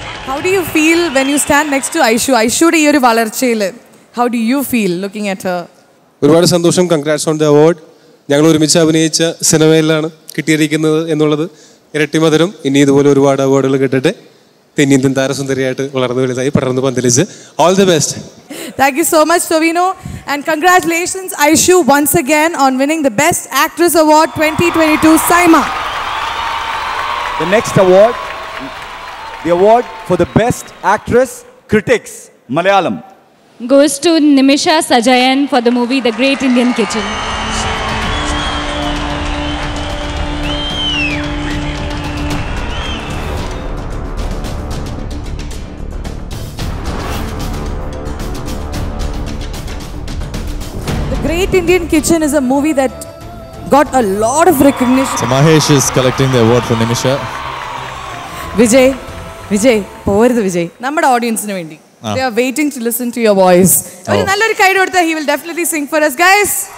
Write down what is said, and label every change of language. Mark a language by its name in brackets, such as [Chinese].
[English] How do you feel when you stand next to Aishu? Aishu's [Malayalam] ഈ ഒരു വളർച്ചയിൽ [English] how do you feel looking at her? [Malayalam] ഒരുപാട് സന്തോഷം. [English] Congrats on the award. [Malayalam] ഞങ്ങൾ ഒരുമിച്ച് അഭിനയിച്ച സിനിമയിലാണ് കിട്ടിയിരിക്കുന്നത് എന്നുള്ളത് ഇരട്ടി മധുരം. ഇനി ഇതുപോലെ ഒരുപാട് അവാർഡുകൾ കിട്ടട്ടെ. തെന്നിന്ത്യൻ താരസുന്ദരിയായിട്ട് വളർന്നു വലുതായി, പടർന്നു പന്തലിച്ച്. [English] All the best. Thank you so much, Tovino. And congratulations, Aishu, once again on winning the Best Actress Award 2022 SIIMA. The next award, the award for the best actress critics Malayalam, goes to Nimisha Sajayan for the movie The Great Indian Kitchen. The Great Indian Kitchen is a movie that got a lot of recognition. So Mahesh is collecting the award for Nimisha. [Malayalam] Vijay, Vijay, പോവരുത് വിജയ്. നമ്മുടെ ഓഡിയൻസിന് വേണ്ടി. [English] They are waiting to listen to your voice. [Malayalam] ഒരു നല്ലൊരു കൈ കൊടുത്താൽ [English] he will definitely sing for us, guys.